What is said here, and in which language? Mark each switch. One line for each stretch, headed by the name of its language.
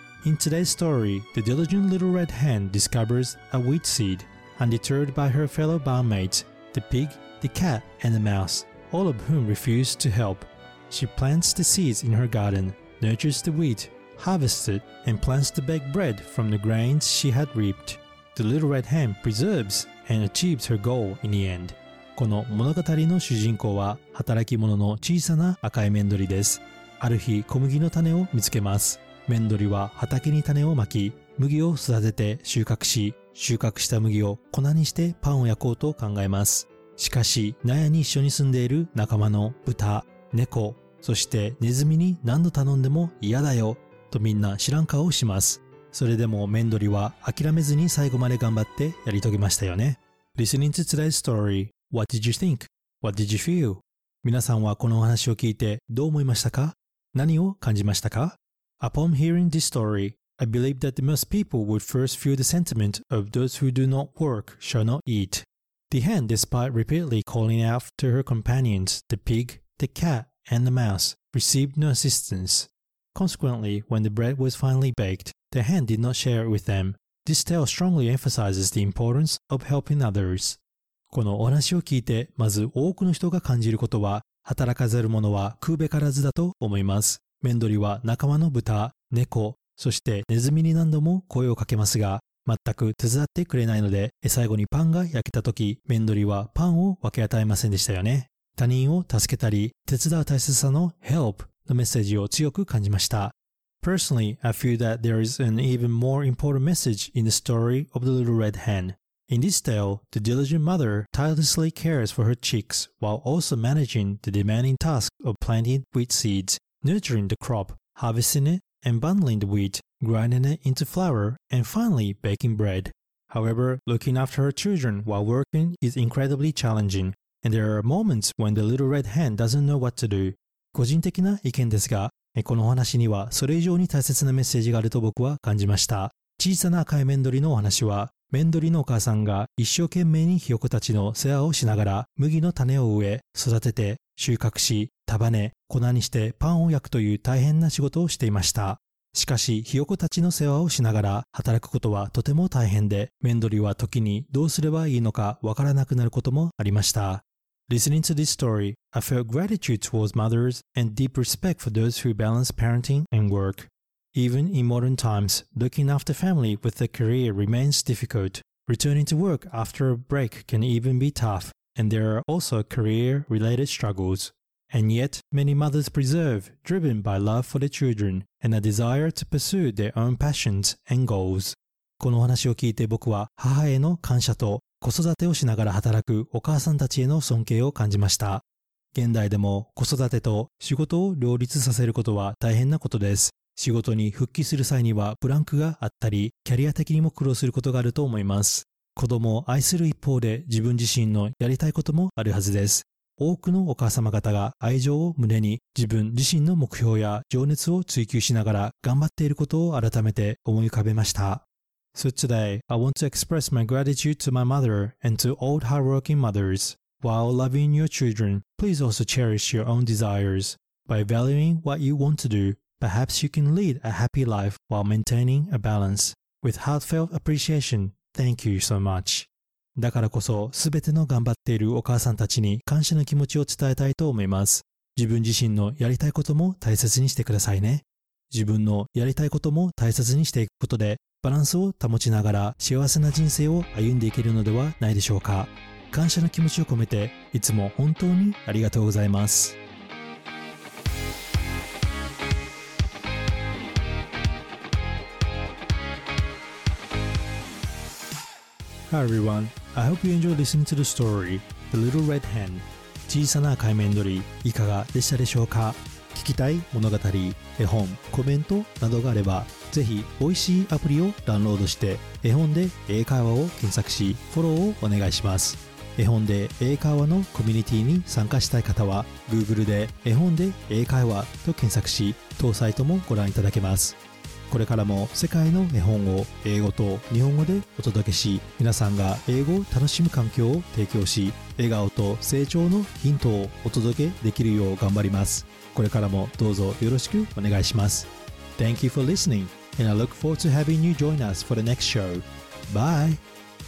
English: In today's story, the diligent little red hen discovers a wheat seed, undeterred by her fellow barnmates, the pig, the cat, and the mouse, all of whom refuse to help. She plants the seeds in her garden, nurtures the wheat, harvests it, and plants the baked bread from the grains she had reaped. The little red hen preserves and achieves her goal in the end.
Japanese: この物語の主人公は働き者の小さな赤いメンドリです。ある日、小麦の種を見つけます。メンドリは畑に種をまき、麦を育てて収穫し、収穫した麦を粉にしてパンを焼こうと考えます。しかし、納屋に一緒に住んでいる仲間の豚、猫、そしてネズミに何度頼んでも嫌だよ、とみんな知らん顔をします。それでもメンドリは諦めずに最後まで頑張ってやり遂げましたよね。
English: Listening to today's story, what did you think? What did you feel?
Japanese: 皆さんはこのお話を聞いてどう思いましたか？何を感じましたか？
English: Upon hearing this story, I believe that most people would first feel the sentiment of those who do not work shall not eat. The hen, despite repeatedly calling out to her companions, the pig, the cat, and the mouse, received no assistance. Consequently, when the bread was finally baked, the hen did not share it with them. This tale strongly emphasizes the importance of helping others.
Japanese: このお話を聞いて、まず多くの人が感じることは、働かざる者は食うべからずだと思います。メンドリは仲間の豚、猫、そしてネズミに何度も声をかけますが、全く手伝ってくれないので、最後にパンが焼けた時、メンドリはパンを分け与えませんでしたよね。他人を助けたり、手伝う大切さの Help のメッセージを強く感じました。
English: Personally, I feel that there is an even more important message in the story of the little red hen. In this tale, the diligent mother tirelessly cares for her chicks while also managing the demanding task of planting wheat seeds. Nurturing the crop, harvesting it, and bundling the wheat, grinding it into flour, and finally baking bread. However, looking after her children while working is incredibly challenging, and there are moments when the little red hen doesn't know what to do.
Japanese: 個人的な意見ですが、このお話にはそれ以上に大切なメッセージがあると僕は感じました。小さな赤いメンドリのお話は、メンドリのお母さんが一生懸命にひよこたちの世話をしながら麦の種を植え、育てて、収穫し、束ね、粉にしてパンを焼くという大変な仕事をしていました。しかし、ひよこたちの世話をしながら働くことはとても大変で、メンドリは時にどうすればいいのかわからなくなることもありました。
English: Listening to this story, I felt gratitude towards mothers and deep respect for those who balance parenting and work. Even in modern times, looking after family with a career remains difficult. Returning to work after a break can even be tough, and there are also career-related struggles. And yet, many mothers preserve, driven by love for their children and a desire to pursue their own passions and goals.
Japanese: この話を聞いて僕は母への感謝と子育てをしながら働くお母さんたちへの尊敬を感じました。現代でも子育てと仕事を両立させることは大変なことです。仕事に復帰する際にはブランクがあったり、キャリア的にも苦労することがあると思います。子供を愛する一方で自分自身のやりたいこともあるはずです。多くのお母様方が愛情を胸に自分自身の目標や情熱を追求しながら頑張っていることを改めて思い浮かべました。
English: So today, I want to express my gratitude to my mother and to all hardworking mothers. While loving your children, please also cherish your own desires. By valuing what you want to do, perhaps you can lead a happy life while maintaining a balance. With heartfelt appreciation, thank you so much.
Japanese: だからこそ、すべての頑張っているお母さんたちに感謝の気持ちを伝えたいと思います。自分自身のやりたいことも大切にしてくださいね。自分のやりたいことも大切にしていくことで、バランスを保ちながら幸せな人生を歩んでいけるのではないでしょうか。感謝の気持ちを込めて、いつも本当にありがとうございます。
English: Hi everyone, I hope you enjoyed listening to the story, The Little Red Hen.
Japanese: 小さな赤い雌鶏、いかがでしたでしょうか？聞きたい物語、絵本、コメントなどがあれば、ぜひおいしいアプリをダウンロードして、絵本で英会話を検索し、フォローをお願いします。絵本で英会話のコミュニティに参加したい方は、Google で絵本で英会話と検索し、当サイトもご覧いただけます。これからも世界の絵本を英語と日本語でお届けし、皆さんが英語を楽しむ環境を提供し、笑顔と成長のヒントをお届けできるよう頑張ります。これからもどうぞよろしくお願いします。
English: Thank you for listening, and I look forward to having you join us for the next show. Bye!